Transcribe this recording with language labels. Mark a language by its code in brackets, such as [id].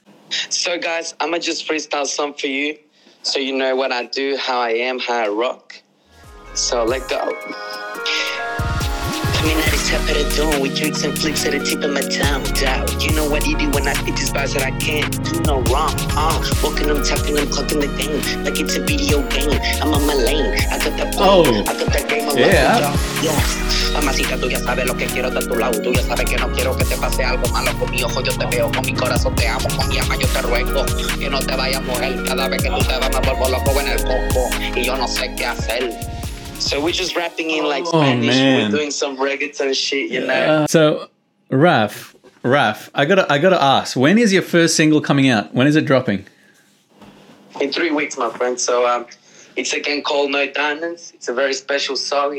[en] So, guys, I'm going to just freestyle some for you so you know what I do, how I am, how I rock. So, let go. Coming at the top of the dome with drinks and flicks at the tip of my tongue. Doubt. You know what you do when I hit these bars that I can't do no wrong. Walking them, tapping them, clocking the thing like it's a video game. I'm on my lane. I got the ball. I got the game alone. Yeah. [es] Mamacita, tú ya sabes lo que quiero de tu lado. Tú ya sabes que no quiero que te pase algo malo con mi ojo. Yo te veo con mi corazón, te amo con mi alma. Yo te ruego que no te vayas, mujer. Cada vez que tú te vas, me vuelvo loco en el coco. Y yo no sé qué hacer. [en] So we're just rapping in like Spanish. Man. We're doing some reggaeton shit, you know. So, Raf, Raf, I gotta ask, when is your first single coming out? When is it dropping? In 3 weeks, my friend. So it's again called No Diamonds. It's a very special song.